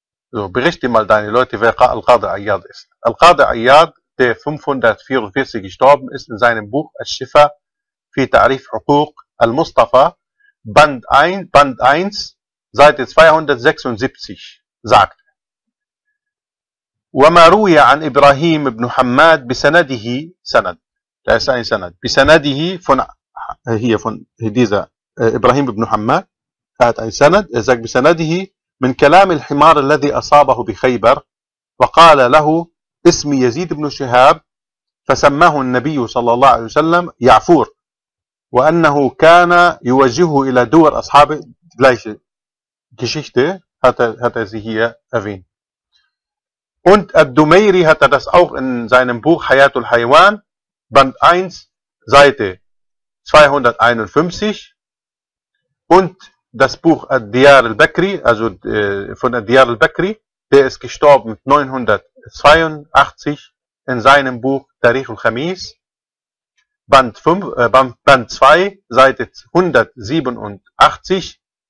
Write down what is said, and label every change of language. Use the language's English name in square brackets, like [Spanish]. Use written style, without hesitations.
[German] So, berichte mal deine Leute, wer Al-Qadi Ayyad ist. Al-Qadi Ayyad, der 544 gestorben ist, in seinem Buch Al-Shifa fi Ta'rif Huquq Al-Mustafa, Band 1, Seite 276, sagt: [Arabic] وَمَا رُوِيَ عَنْ إِبْرَاهِيمِ بْنُ حَمَّادِ بِسَنَدِهِ سَنَد. [German] Da ist ein Sanad. [Arabic] بِسَنَدِهِ [German] von dieser Ibrahim ibn Hammad, er hat ein Sanad, er sagt: [Arabic] بِسَنَدِهِ مِنْ كَلَامِ الْحِمَارِ الَّذِي أَصَابَهُ بِخَيْبَرِ وَقَالَ لَهُ اسمي يزيد بن شهاب فسماه النبي صلى الله عليه وسلم يعفور وأنه كان يوجهه إلى دور أصحابه. [German] Gleiche Geschichte hat er sie hier erwähnt. Und Ad-Dumeiri hat das auch in seinem Buch Hayatul Haywan, Band 1, Seite 251. Und das Buch Ad-Diyar al-Bakri, also von Ad-Diyar al-Bakri, der ist gestorben 982 in seinem Buch Tarikh al-Khamis, Band 2, Seite 187.